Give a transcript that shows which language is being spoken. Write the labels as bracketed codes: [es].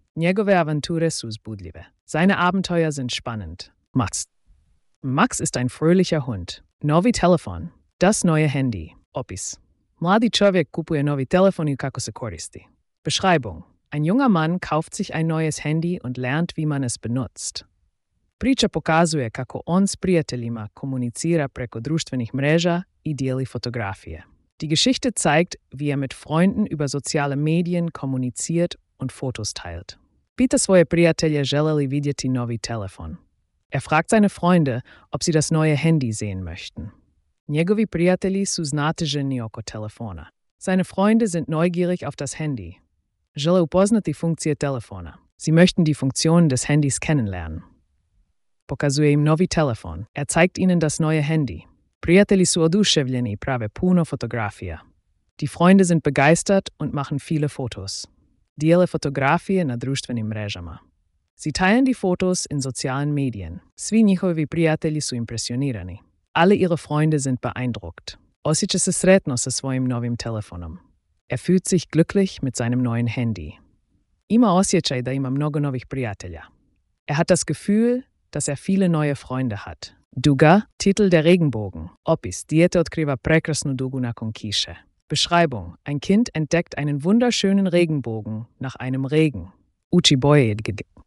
[hr] Njegove avanture su zbudljive. [de] Seine Abenteuer sind spannend. [hr] Max. [de] Max ist ein fröhlicher Hund. [hr] Novi telefon. [de] Das neue Handy. [hr] Opis. Mladi čovjek kupuje novi telefon i kako se koristi. Beschreibung. [de] Ein junger Mann kauft sich ein neues Handy und lernt, wie man es benutzt. [hr] Priča pokazuje kako on s prijateljima komunicira preko društvenih mreža i dijeli fotografije. [de] Die Geschichte zeigt, wie er mit Freunden über soziale Medien kommuniziert und Fotos teilt. [hr] Pita svoje prijatelje žele li vidjeti novi telefon. [de] Er fragt seine Freunde, ob sie das neue Handy sehen möchten. [hr] Njegovi prijatelji su znatiženi oko telefona. [de] Seine Freunde sind neugierig auf das Handy. [hr] Žele upoznati funkcije telefona. [de] Sie möchten die Funktionen des Handys kennenlernen. Pokazuje im novi telefon. Er zeigt ihnen das neue Handy. Prijatelji su oduševljeni i prave puno fotografija. Die Freunde sind begeistert und machen viele Fotos. [hr] Dijele fotografije na društvenim mrežama. [de] Sie teilen die Fotos in sozialen Medien. [hr] Svi njihovi prijatelji su impresionirani. [de] Alle ihre Freunde sind beeindruckt. [hr] Osjeća se sretno sa svojim novim telefonom. [de] Er fühlt sich glücklich mit seinem neuen Handy. [hr] Ima osjećaj da ima mnogo novih prijatelja. [de] Er hat das Gefühl, dass er viele neue Freunde hat. Duga, Titel der Regenbogen. [hr] Opis, dijete otkriva prekrasnu dugu nakon kiše. [de] Beschreibung, ein Kind entdeckt einen wunderschönen Regenbogen nach einem Regen. Uči boje je gege.